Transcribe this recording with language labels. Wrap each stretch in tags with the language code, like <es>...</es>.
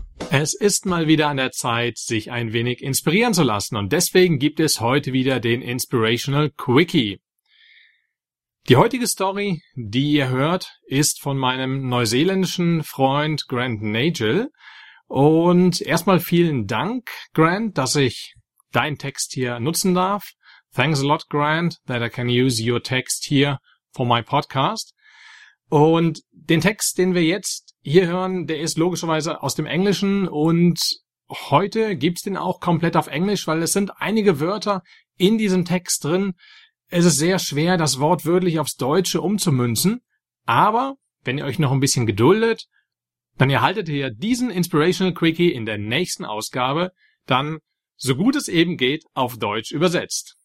<de>Es ist mal wieder an der Zeit, sich ein wenig inspirieren zu lassen und deswegen gibt es heute wieder den Inspirational Quickie. Die heutige Story, die ihr hört, ist von meinem neuseeländischen Freund Grant Nagel und erstmal vielen Dank, Grant, dass ich deinen Text hier nutzen darf.</de> <en>Thanks a lot, Grant, that I can use your text here for my podcast.</en> <de>Und den Text, den wir jetzt hier hören, der ist logischerweise aus dem Englischen und heute gibt's den auch komplett auf Englisch, weil es sind einige Wörter in diesem Text drin. Es ist sehr schwer, das Wort wörtlich aufs Deutsche umzumünzen, aber wenn ihr euch noch ein bisschen geduldet, dann erhaltet ihr diesen Inspirational Quickie in der nächsten Ausgabe, dann, so gut es eben geht, auf Deutsch übersetzt.</de>